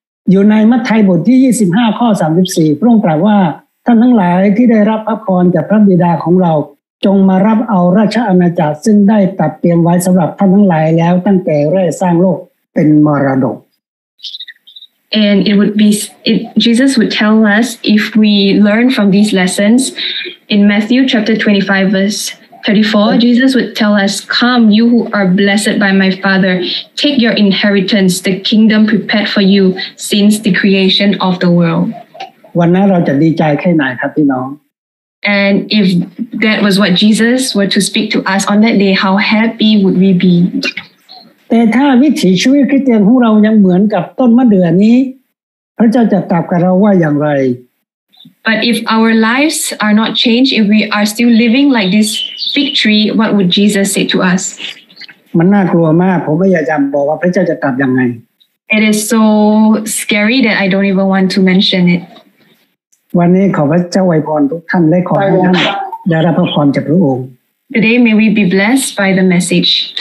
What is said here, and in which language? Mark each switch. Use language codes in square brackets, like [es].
[th] อยู่ในมัทธิวบทที่25ข้อ34พระองค์ตรัสว่าท่านทั้งหลายที่ได้รับพระพรจากพระบิดาของเราจงมารับเอาราชอาณาจักรซึ่งได้ตัดเตรียมไว้สำหรับท่านทั้งหลายแล้วตั้งแต่แรกสร้างโลกเป็นมรดก [en] And it would be, Jesus would tell us if we learn from these lessons. In Matthew chapter 25 verse 34, Jesus would tell us, Come, you who are blessed by my Father, take your inheritance, the kingdom prepared for you since the creation of the world. [th] วันนั้นเราจะดีใจแค่ไหนครับพี่น้อง [en] And if that was what Jesus were to speak to us on that day, how happy would we be? [th] แต่ถ้าวิถีชีวิตคริสเตียนของเรายังเหมือนกับต้นมะเดื่อนี้พระเจ้าจะตอบกับเราว่าอย่างไร [en] But if our lives are not changed, if we are still living like this fig tree, what would Jesus say to us? [th] มันน่ากลัวมากผมไม่อยากจะบอกว่าพระเจ้าจะตอบยังไง [en] It is so scary that I don't even want to mention it [th] วันนี้ขอพระเจ้าอวยพรทุกท่านและขอให้ท่านได้รับพระพรจากพระองค์ [en] Today may we be blessed by the message